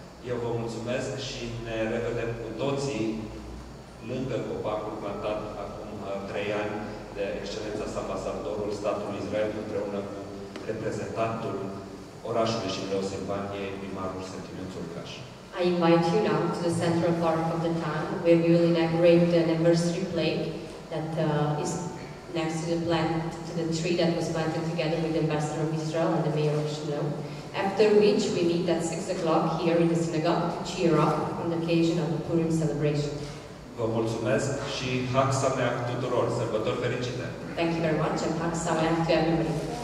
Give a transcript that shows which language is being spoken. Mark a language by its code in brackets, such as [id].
[ro] Eu vă mulțumesc și ne revedem cu toții lângă copacul plantat acum 3 ani de excelența sa ambasadorul statului Israel împreună cu reprezentantul orașului și Leo Silvaniei, primarul Sentimiu Țurcaș. [en] I invite you now to the central park of the town where we will inaugurate the anniversary plaque that is next to the plant, to the tree that was planted together with the ambassador of Israel and the mayor of Shiloh. After which we meet at 6 o'clock here in the synagogue to cheer up on the occasion of the Purim celebration. [ro] Vă mulțumesc și Hag Sameach tuturor! Sărbători fericite! [en] Thank you very much and Hag Sameach to everybody!